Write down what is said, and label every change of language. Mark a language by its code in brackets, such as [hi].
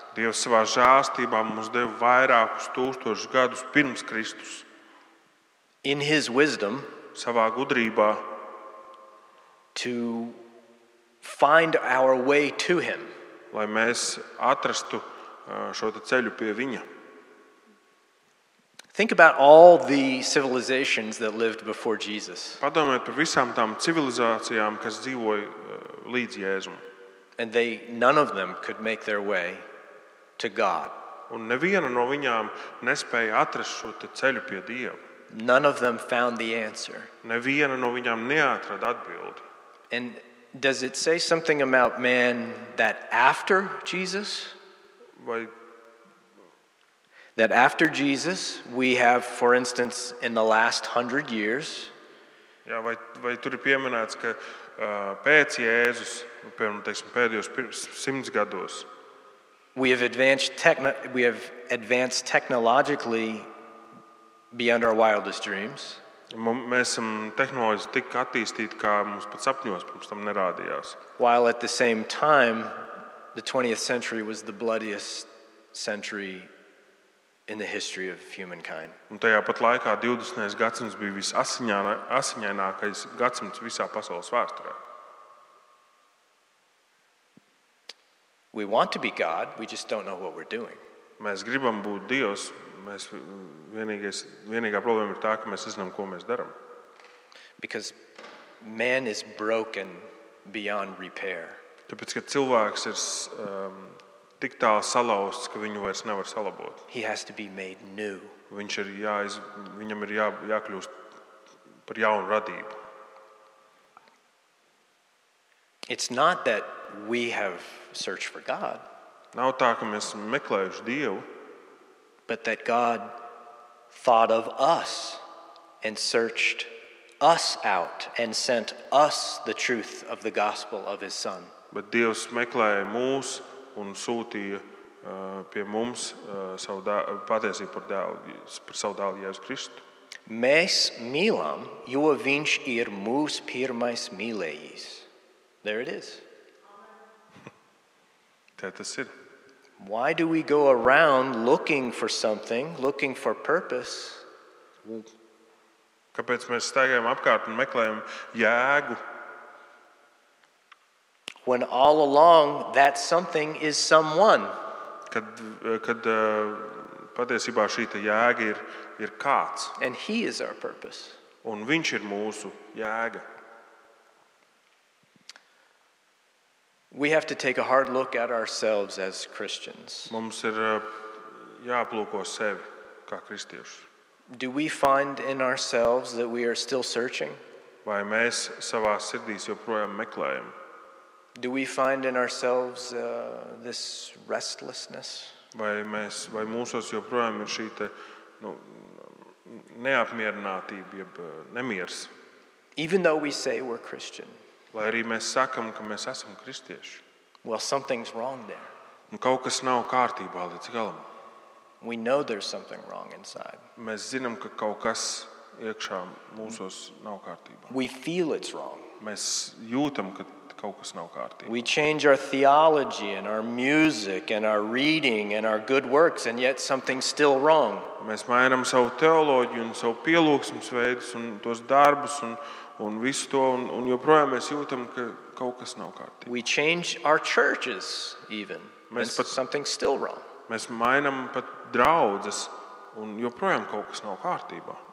[lv] Dievs savā žēlstībā mums deva vairākus tūkstošus gadus pirms Kristus. [en] In his wisdom, [lv] savā gudrībā, [en] to find our way to him. [lv] Lai mēs atrastu šo te ceļu pie viņa. [en] Think about all the civilizations that lived before Jesus. [lv] Padomājiet par visām tām civilizācijām, kas dzīvoja līdz Jēzumam. [en] And they, none of them could make their way to God. [lv] un neviena no viņām nespēja atrast šo te ceļu pie Dieva. [en] None of them found the answer. [lv] Neviena no viņām neatrada atbildi. [en] And does it say something about man that after Jesus? [lv] Vai [en] that after Jesus, we have, for instance, in the last 100 years. [lv] Jā, vai tur ir pieminēts, ka pēc Jēzus, piemēram, teiksim, pēdējos 100 gados. [en] We have advanced technologically beyond our wildest dreams. [lv] Mēs esam tehnoloģiski tik attīstīti, kā mums pat sapņos pirms tam nerādījās. [en] While at the same time, the 20th century was the bloodiest century in the history of humankind. [lv] Un tajā pat laikā 20. Gadsimts bija visasiņainākais gadsimts visā pasaules vēsturē. [en] We want to be God, we just don't know what we're doing. [lv] Mēs gribam būt Dievs, mēs vienīgā problēma ir tā, ka mēs nezinām, ko mēs daram. [en] Because man is broken beyond repair. [lv] Tāpēc, ka cilvēks ir tik tālu salausts, ka viņu vairs nevar salabot. [en] He has to be made new. [lv] Viņam ir jākļūst par jaunu radību. [en] It's not that we have searched for God. [lv] Nav tā, ka mēs meklējuši Dievu. [en] But that God thought of us and searched us out and sent us the truth of the gospel of his son. [lv] Bet Dievs meklēja mūs un sūtīja pie mums savu patiesību par savu dēlu Jēzus Kristu. Mēs mīlam, jo viņš ir mūsu pirmais mīlējis. [en] There it is. [lv] Tā tas ir. [en] Why do we go around looking for something, looking for purpose? [lv] Kāpēc mēs staigājam apkārt un meklējam jēgu? [en] When all along that something is someone. [lv] Kad patiesībā šī ta jēga ir kāds. [en] And he is our purpose. [lv] Un viņš ir mūsu jēga. [en] We have to take a hard look at ourselves as Christians. [lv] Mums ir jāaplūko sevi kā kristiešus. [en] Do we find in ourselves that we are still searching? [lv] Vai mēs savā sirdīs joprojām meklējam? [en] Do we find in ourselves this restlessness? [lv] Vai mūsos joprojām ir šī te, nu, neapmierinātība jeb nemiers? [en] Even though we say we're Christian. [lv] Lai arī mēs sakam, ka mēs esam kristieši. [en] Well, something's wrong there. [lv] Un kaut kas nav kārtībā līdz galam. [en] We know there's something wrong inside. [lv] Mēs zinām, ka kaut kas iekšā mūsos nav kārtībā. [en] We feel it's wrong. [lv] Mēs jūtam, ka kaut kas nav kārtībā. [en] We change our theology and our music and our reading and our good works and yet something's still wrong. [lv] Mēs mainām savu teoloģiju un savu pielūgsmes veidus un tos darbus un visu to, un joprojām mēs jūtam, ka kaut kas nav kārtībā. [en] We change our churches even. [lv] Mēs pat [en] something's still wrong. [lv] Mēs mainām pat draudzes, un joprojām kaut kas nav kārtībā.